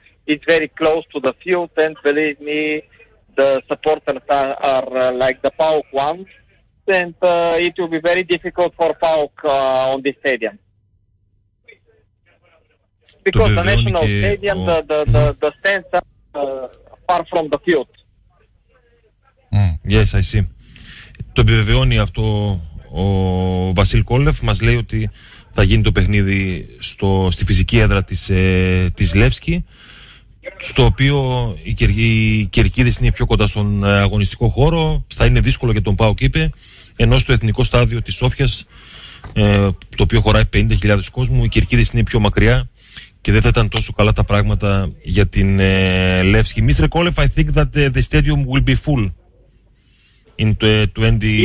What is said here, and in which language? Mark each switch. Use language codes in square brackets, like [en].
[en] it's very close to the field, and believe me, the supporters are like the PAOK ones, and it will be very difficult for PAOK on this stadium. Because the national stadium, the stands are far from the field. Yes, I see. [el] Το επιβεβαιώνει αυτό ο Βασίλ Κόλεφ, μας λέει ότι θα γίνει το παιχνίδι στη φυσική έδρα της Λεύσκη, στο οποίο οι κερκίδες είναι πιο κοντά στον αγωνιστικό χώρο, θα είναι δύσκολο για τον ΠΑΟΚ, είπε, ενώ στο εθνικό στάδιο της Σόφιας, το οποίο χωράει 50.000 κόσμου, οι κερκίδες είναι πιο μακριά και δεν θα ήταν τόσο καλά τα πράγματα για την Λεύσκη. Mr. Κόλεφ, I think that the stadium will be full in 21